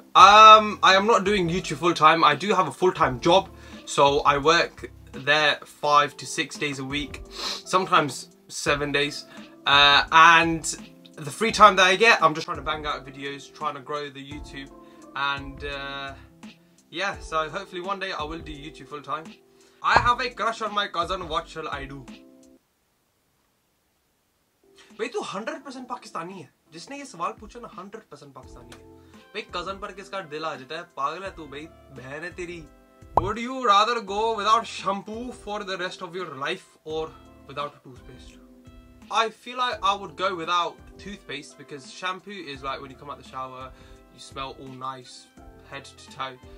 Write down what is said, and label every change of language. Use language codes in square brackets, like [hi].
[en] I am not doing YouTube full time. I do have a full time job, so I work there 5 to 6 days a week, sometimes 7 days. And the free time that I get, I'm just trying to bang out videos, trying to grow the YouTube. And yeah, so hopefully one day I will do YouTube full time. I have a crush on my cousin. What shall I do? [hi] भाई तू 100% पाकिस्तानी है, जिसने ये सवाल पूछा ना 100% पाकिस्तानी है भाई। कजन पर किसका दिल आ जाता है, पागल है तू भाई, बहन है तेरी। [en] Would you rather go without shampoo for the rest of your life और without toothpaste? I feel like I would go without toothpaste because shampoo is like when you come out the shower, you smell all nice, head to toe.